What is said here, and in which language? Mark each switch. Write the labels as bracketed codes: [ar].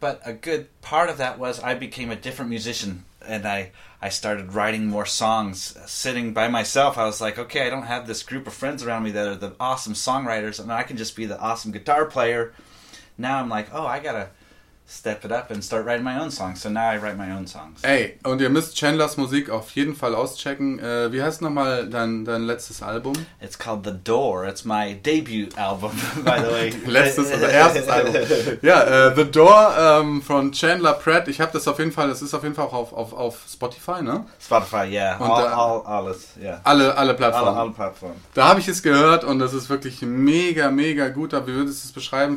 [en] But a good part of that was I became a different musician. And I started writing more songs sitting by myself. I was like, okay, I don't have this group of friends around me that are the awesome songwriters. And I can just be the awesome guitar player. Now I'm like, oh, I got to step it up and start writing my own songs. So now I write my own songs. [de] Hey, und ihr müsst Chandlers Musik auf jeden Fall auschecken. Wie heißt nochmal dein letztes Album? [en] It's called The Door. It's my debut album, by the way. [de] Letztes oder erstes Album. Ja, The Door von Chandler Pratt. Ich habe das auf jeden Fall, das ist auf jeden Fall auch auf Spotify, ne? [en] Spotify, yeah. [de] Und alles, [en] yeah. [de] Alle Plattformen. Alle Plattformen. Da habe ich es gehört und es ist wirklich mega, mega gut. Aber wie würdest du es beschreiben?